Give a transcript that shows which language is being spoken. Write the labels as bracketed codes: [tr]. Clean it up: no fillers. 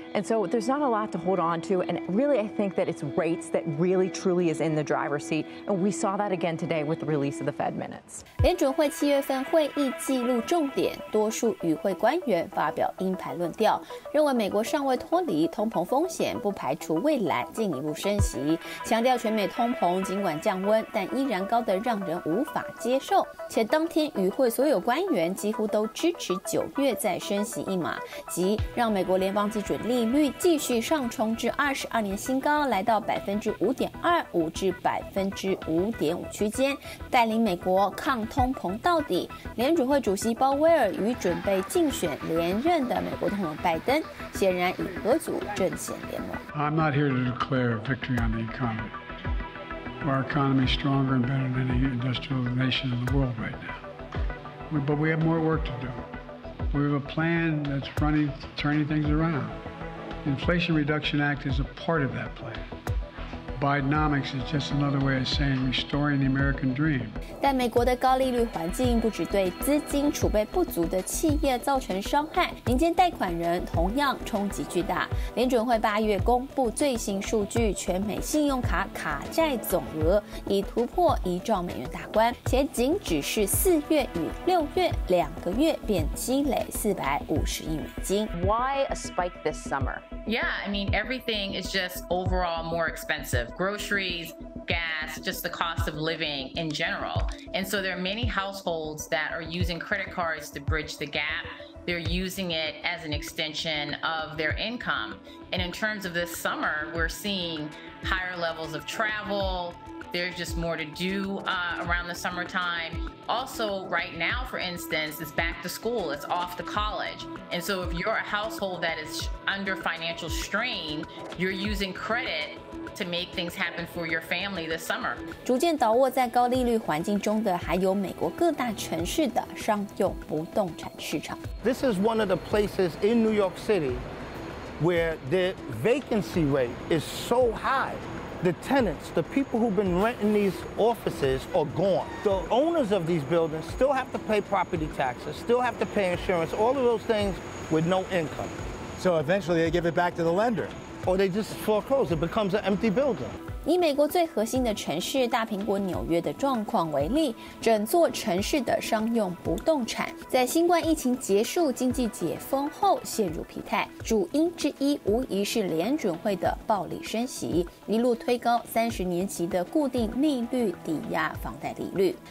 [en] And so there's not a lot to hold on to. And really, I think that it's rates that really truly is in the driver's seat. And we saw that again today with the release. [zh] 联准会七月份会议记录重点，多数与会官员发表鹰派论调，认为美国尚未脱离通膨风险，不排除未来进一步升息，强调全美通膨尽管降温，但依然高得让人无法接受。且当天与会所有官员几乎都支持九月再升息一码，即让美国联邦基准利率继续上冲至22年新高，来到5.25%至5.5%区间。带领美国抗通膨到底，联准会主席鲍威尔与准备竞选连任的美国总统拜登显然已合组阵线联盟。 [en] I'm not here to declare victory on the economy. Our economy is stronger and better than any industrial nation in the world right now. But we have more work to do. We have a plan that's running, turning things around. The Inflation Reduction Act is a part of that plan. Bidenomics is just another way of saying restoring the American dream. [zh] 但美国的高利率环境不只对资金储备不足的企业造成伤害，民间贷款人同样冲击巨大。联准会八月公布最新数据，全美信用卡卡债总额已突破1兆美元大关，且仅只是4月与6月2个月便积累450亿美金。 [en] Why a spike this summer? Yeah, I mean everything is just overall more expensive. Groceries, gas, just the cost of living in general. And so there are many households that are using credit cards to bridge the gap. They're using it as an extension of their income. And in terms of this summer, we're seeing higher levels of travel. There's just more to do around the summertime. Also, right now, for instance, it's back to school. It's off to college. And so if you're a household that is under financial strain, you're using credit. To make things happen for your family this summer. [zh] 逐渐倒卧在高利率环境中的还有美国各大城市的商用不动产市场。 [en] This is one of the places in New York City where the vacancy rate is so high. The tenants, the people who've been renting these offices are gone. The owners of these buildings still have to pay property taxes, still have to pay insurance, all of those things with no income. So eventually they give it back to the lender. Or they just foreclose, it becomes an empty building. [zh] 以美国最核心的城市大苹果纽约的状况为例，整座城市的商用不动产在新冠疫情结束、经济解封后陷入疲态，主因之一无疑是联准会的暴力升息，一路推高30年期的固定利率抵押房贷利率。